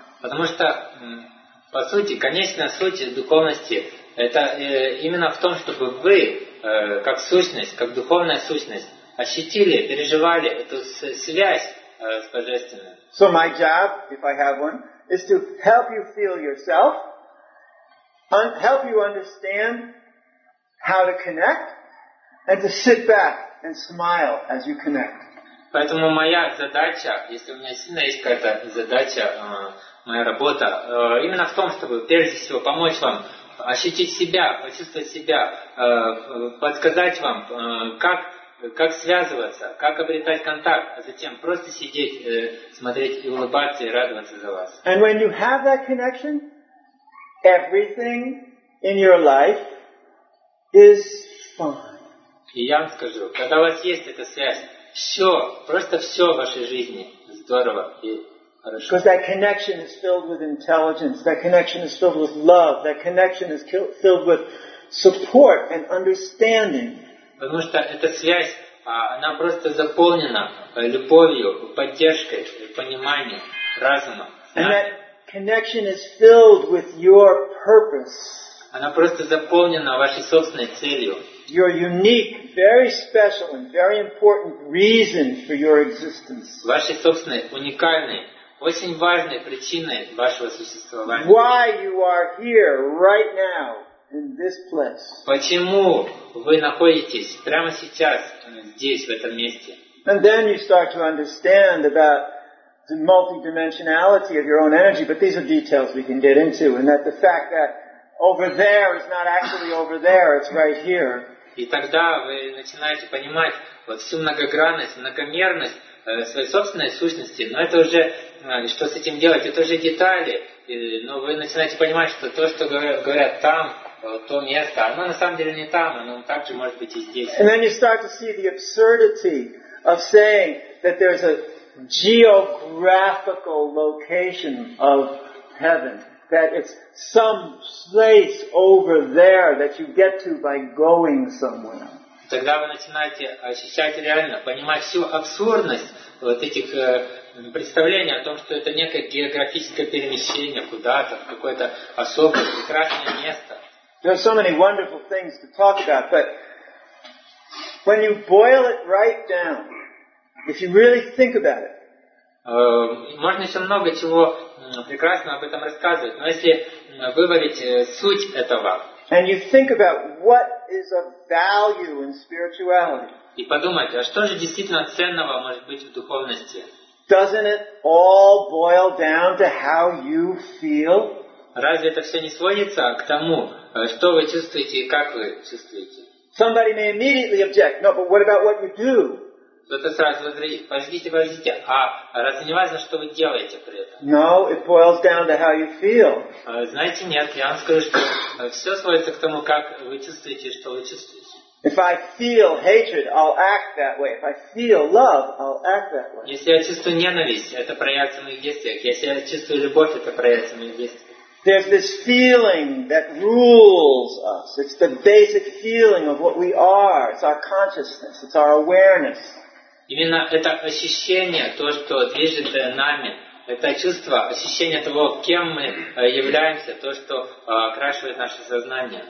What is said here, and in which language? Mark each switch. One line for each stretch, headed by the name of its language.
Russian: Потому что, по сути, конечная суть духовности это именно в том, чтобы вы, как сущность, как духовная сущность, ощутили, переживали эту связь с Божественным.
English: So my job, if I have one, is to help you feel yourself, help you understand how to connect, and to sit back and smile as you connect.
Russian: Поэтому моя задача, если у меня сильно есть какая-то задача, моя работа, именно в том, чтобы прежде всего помочь вам ощутить себя, почувствовать себя, подсказать вам, как связываться, как обретать контакт, а затем просто сидеть, смотреть и улыбаться, и радоваться за вас.
English: And when you have that connection, everything in your life is fine.
Russian: И я вам скажу, когда у вас есть эта связь, все, просто все в вашей жизни здорово и
English: because that connection is filled with intelligence, that connection is filled with love, that connection is filled with support and understanding.
Russian: Потому что эта связь, она просто заполнена любовью, поддержкой, пониманием, разумом.
English: And that connection is filled with your purpose.
Russian: Она просто заполнена вашей собственной целью.
English: Your unique, very special and very important reason for your existence.
Russian: Вашей собственной уникальной, очень важной причиной вашего существования.
English: Why you are here right now in this place.
Russian: Почему вы находитесь прямо сейчас здесь в этом месте?
English: And then you start to understand about the multidimensionality of your own energy, but these are details we can get into, and that the fact that over there is not actually over there, it's right here.
Russian: И тогда вы начинаете понимать вот всю многогранность, многомерность своей собственной сущности, но это уже что с этим делать, это уже детали. Но вы начинаете понимать, что то, что говорят там, то место, оно на самом деле не там, оно также может быть и здесь.
English: And then you start to see the absurdity of saying that there's a geographical location of heaven. That it's some place over there that you get to by going somewhere.
Russian: Тогда вы начинаете ощущать реально, понимать всю абсурдность вот этих представлений о том, что это некое географическое перемещение куда-то, в какое-то особое, прекрасное место.
English: There are so many wonderful things to talk about, but when you boil it right down, if you really think about it,
Russian: можно еще много чего прекрасного об этом рассказывать, но если выварить суть этого,
English: and you think about what is of value in spirituality,
Russian: и подумать, а что же действительно ценного может быть в духовности?
English: Doesn't it all boil down to how you feel?
Russian: Разве это все не сводится к тому, что вы чувствуете и как вы чувствуете?
English: Somebody may immediately object. No, but what about what you do?
Russian: Кто-то сразу возразит, подождите, а разве не важно, что вы делаете при этом?
English: No, it boils down to how you feel.
Russian: Знаете, нет, я вам скажу, что все сводится к тому, как вы чувствуете, что вы чувствуете.
English: If I feel hatred, I'll act that way. If I feel love, I'll act that way.
Russian: Если я чувствую ненависть, это проявится в моих действиях. Если я чувствую любовь, это проявится в моих действиях.
English: There's this feeling that rules us. It's the basic feeling of what we are. It's our consciousness. It's our awareness.
Russian: Именно это ощущение, то, что движет нами, это чувство, ощущение того, кем мы являемся, то, что окрашивает наше сознание.